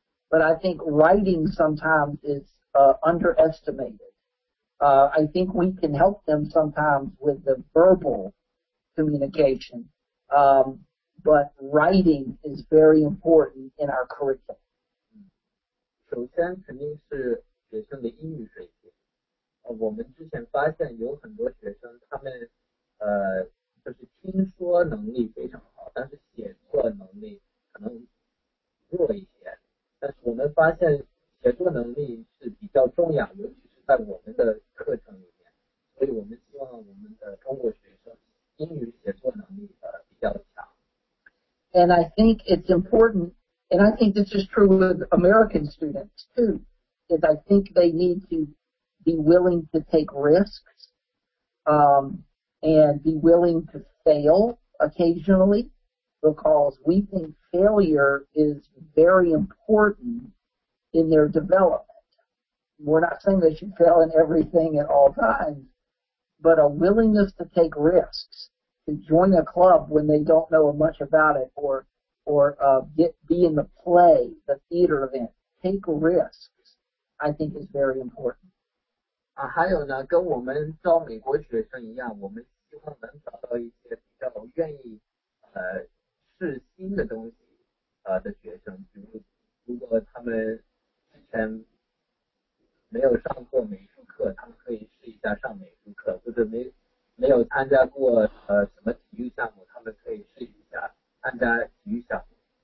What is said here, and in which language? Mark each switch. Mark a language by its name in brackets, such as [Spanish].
[English] But I think writing sometimes is underestimated. I think we can help them sometimes with the verbal communication, but writing is very important in our curriculum. [Chinese] 首先肯定是学生的英语水平。我们之前发现有很多学生他们就是听说能力非常好，但是写作能力可能弱一些。但是我们发现写作能力是比较重要，尤其是在我们的课程里面，所以我们希望我们的中国学生英语写作能力比较强。 [English] And I think it's important, and I think this is true with American students too, is I think they need to be willing to take risks, and be willing to fail occasionally, because we think failure is very important in their development. We're not saying they should fail in everything at all times, but a willingness to take risks, to join a club when they don't know much about it, or be in the play, the theater event, take risks, I think is very important. [Chinese] 还有呢，跟我们招美国学生一样，我们希望能找到一些比较愿意试新的东西的学生，比如如果他们之前没有上过美术课，他们可以试一下上美术课，或者没有参加过什么体育项目，他们可以试一下参加体育项目。